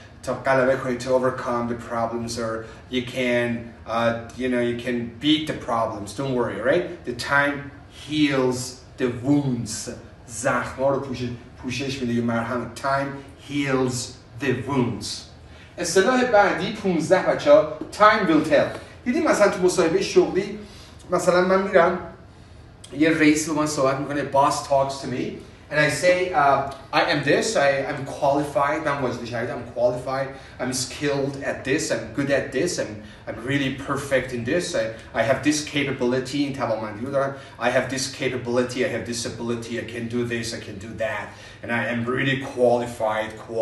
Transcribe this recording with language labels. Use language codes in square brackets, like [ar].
[en] To overcome the problems, or you can, you can beat the problems. Don't worry, right? The time heals the wounds. [fa] زخم‌ها رو پوشش میده یا مرهم. [en] Time heals the wounds. [fa] اصطلاح بعدی 15 بچه ها, [en] time will tell. [fa] دیدیم مثلا تو مصاحبه شغلی, مثلا من میرم, یه رئیس با من صحبت میکنه, [en] boss talks to me, And I say, I am this, I'm qualified, I'm qualified, I'm skilled at this, I'm good at this, I'm really perfect in this, I have this capability, I have this ability, I can do this, I can do that, and I am really qualified.